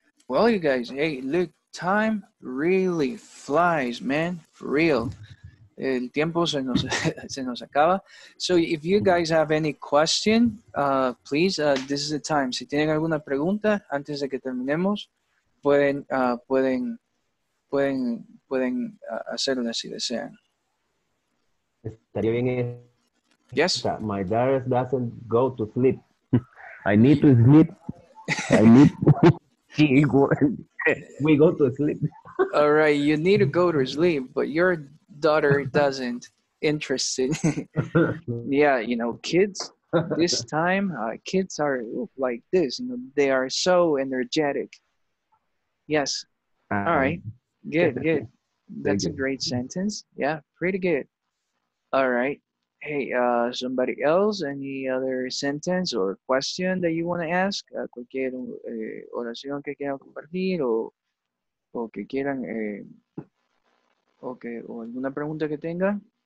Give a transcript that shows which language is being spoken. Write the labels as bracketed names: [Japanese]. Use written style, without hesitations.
[English] Well, you guys, hey, look, time really flies, man. For real. [Spanish] El tiempo se nos acaba. [English] So if you guys have any question, please, this is the time. [Spanish] Si tienen alguna pregunta antes de que terminemos, pueden hacerla si desean. Estaría bien. [English] Yes. My dad doesn't go to sleep. I need to sleep. I need to we go to sleep. All right, you need to go to sleep, but your daughter doesn't interested. Yeah, you know, kids this time, kids are like this, you know, they are so energetic. Yes. All right. Good. That's a great sentence. Yeah, pretty good. All right. Hey, somebody else, any other sentence or question that you want to ask? [Spanish] Cualquier oración que quieran compartir o que quieran, okay, o alguna pregunta que tenga?